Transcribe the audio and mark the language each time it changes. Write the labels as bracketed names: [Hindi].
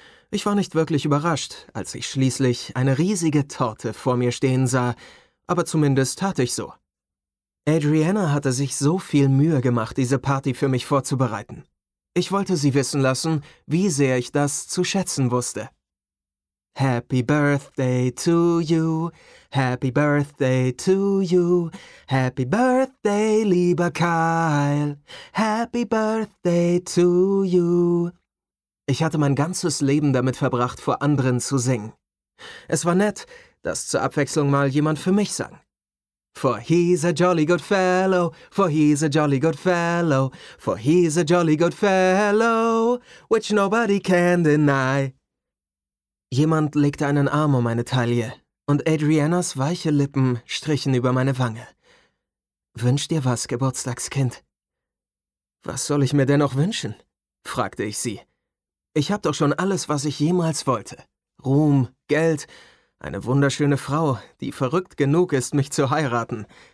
[German] Ich war nicht wirklich überrascht, als ich schließlich eine riesige Torte vor mir stehen sah, aber zumindest tat ich so. Adriana hatte sich so viel Mühe gemacht, diese Party für mich vorzubereiten. Ich wollte sie wissen lassen, wie sehr ich das zu schätzen wusste. [English] Happy Birthday to you, Happy Birthday to you, Happy Birthday, lieber Kyle, Happy Birthday to you. [German] Ich hatte mein ganzes Leben damit verbracht, vor anderen zu singen. Es war nett, dass zur Abwechslung mal jemand für mich sang. [English] For he's a jolly good fellow, for he's a jolly good fellow, for he's a jolly good fellow, which nobody can deny. [German] Jemand legte einen Arm um meine Taille und Adrianas weiche Lippen strichen über meine Wange. Wünsch dir was, Geburtstagskind. Was soll ich mir denn noch wünschen? Fragte ich sie. Ich hab doch schon alles, was ich jemals wollte. Ruhm, Geld, eine wunderschöne Frau, die verrückt genug ist, mich zu heiraten.